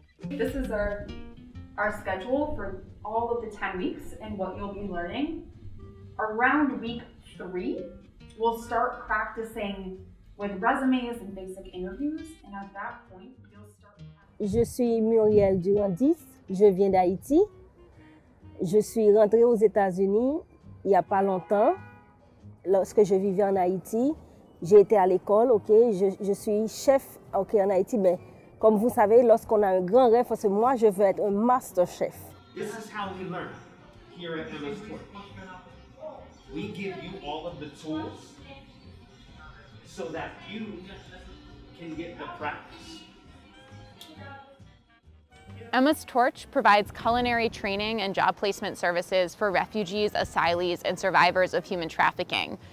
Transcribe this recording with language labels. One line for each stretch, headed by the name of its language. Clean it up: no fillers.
English: This is our schedule for all of the 10 weeks and what you'll be learning. Around week 3, we'll start practicing with resumes and basic interviews, and at that point, you'll start...
French: Je suis Muriel Durandis, je viens d'Haïti. Je suis rentrée aux États-Unis il n'y a pas longtemps. Lorsque je vivais en Haïti, j'ai été à l'école, ok? Je suis chef, ok, en Haïti, mais... Comme vous savez, lorsqu'on a un grand rêve, parce que moi, je veux être un master chef.
English: This is how we learn here at MS Tour. We give you all of the tools so that you can get the practice. MS Torch provides culinary training and job placement services for refugees, asylees, and survivors of human trafficking.